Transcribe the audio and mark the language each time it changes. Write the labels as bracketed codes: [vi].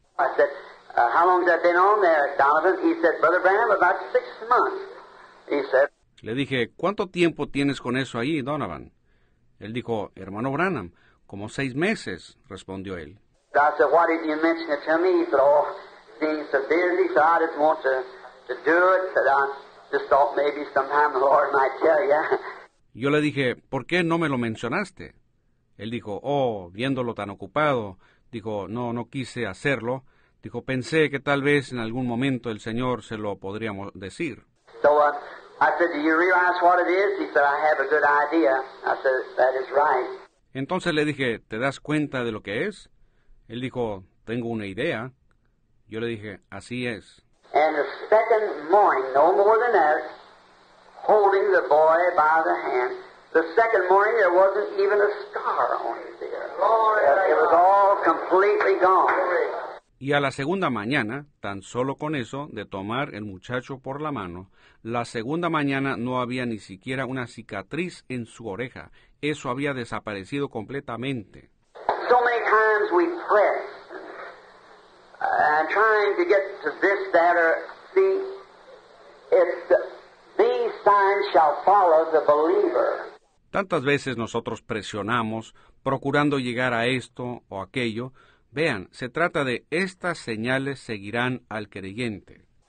[en] I said, how long has that been on there, Donovan? He said, Brother Branham, about 6 months. He said. [es] Le dije, ¿cuánto tiempo tienes con eso ahí, Donovan? Él dijo, hermano Branham, como 6 meses, respondió él. [en] I said, why didn't you mention it to me? He said, oh, being so busy, so I didn't want to do it, but I just thought maybe sometime the Lord might tell you. [es] Yo le dije, ¿por qué no me lo mencionaste? Él dijo, oh, viéndolo tan ocupado, dijo, no quise hacerlo. Dijo, pensé que tal vez en algún momento el Señor se lo podría decir. [en] So, I said, do you realize what it is? He said, I have a good idea. I said, that is right. [es] Entonces le dije, ¿te das cuenta de lo que es? Él dijo, tengo una idea. Yo le dije, así es. [en] And the second morning, no more than that, holding the boy by the hand, the second morning there wasn't even a scar on his ear. It was all completely gone. [es] Y a la segunda mañana, tan solo con eso de tomar el muchacho por la mano, la segunda mañana no había ni siquiera una cicatriz en su oreja. Eso había desaparecido completamente. [en] So many times we press, trying to get to this, that, or see if these signs shall follow the believer. [es] Tantas veces nosotros presionamos, procurando llegar a esto o aquello. Vean, se trata de estas señales seguirán al creyente.